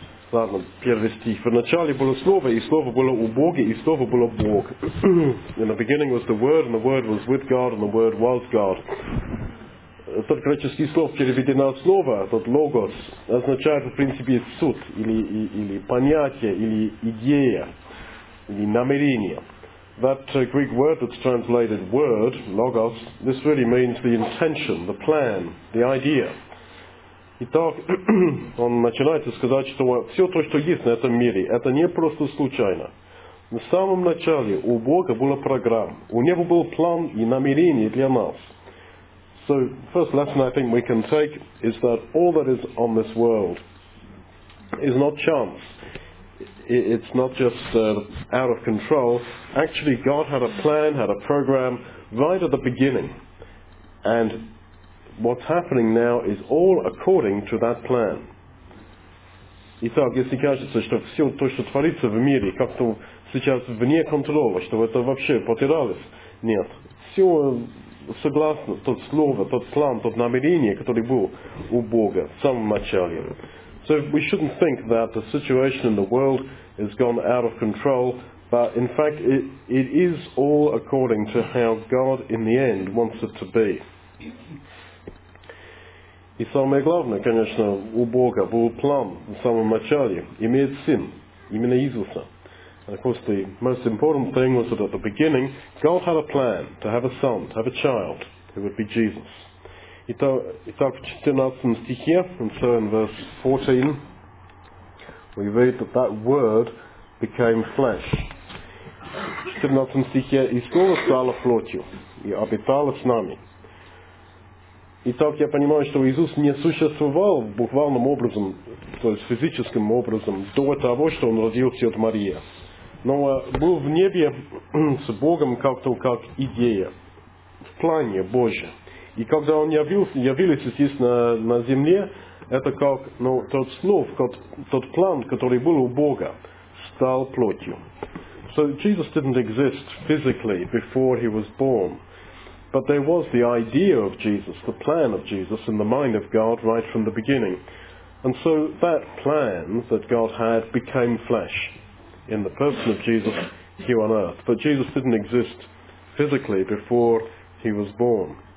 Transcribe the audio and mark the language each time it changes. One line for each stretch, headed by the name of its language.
Russian: Ладно, первый стих. В начале было Слово, и Слово было у Бога, и Слово было Бог.
English: In the beginning was the Word, and the Word was with God, and the Word was God.
Russian: Тот греческий слов, переведено от Слова, тот Логос, означает в принципе суд, или понятие, или идея, или намерение.
English: That Greek word that's translated word, logos, this really means the intention, the plan, the idea.
Russian: Итак, он начинает сказать, что все то, что есть на этом мире, это не просто случайно. В самом начале у Бога была программа, у него был план и намерение для нас.
English: So, first lesson I think we can take is that all that is on this world is not chance. It's not just out of control. Actually, God had a plan, had a program right at the beginning. And what's happening now is all according to that plan.
Russian: Итак, если кажется, что все то, что творится в мире, как-то сейчас вне контроля, что это вообще потерялось, нет. Все согласно тот слово, тот план, тот намерение, который был у Бога в самом начале.
English: So we shouldn't think that the situation in the world has gone out of control, but in fact it is all according to how God in the end wants it to be.
Russian: И самое главное, конечно, у Бога был план в самом начале, имеет Сын, именно Иисуса.
English: And of course the most important thing was that at the beginning, God had a plan to have a son, to have a child, who would be Jesus.
Russian: Итак, в 14 стихе,
English: and so in verse 14, we read that that word became flesh.
Russian: В 14 стихе, и слово стало плотью, и обитало с нами. Итак, я понимаю, что Иисус не существовал буквальным образом, то есть физическим образом, до того, что Он родился от Марии. Но был в небе с Богом как-то как идея, в плане Божьем. И когда он явился здесь на земле, это как, ну, тот слов, тот план, который был у Бога, стал плотью.
English: So Jesus didn't exist physically before he was born. But there was the idea of Jesus, the plan of Jesus in the mind of God right from the beginning. And so that plan that God had became flesh in the person of Jesus here on earth. But Jesus didn't exist physically before he was born.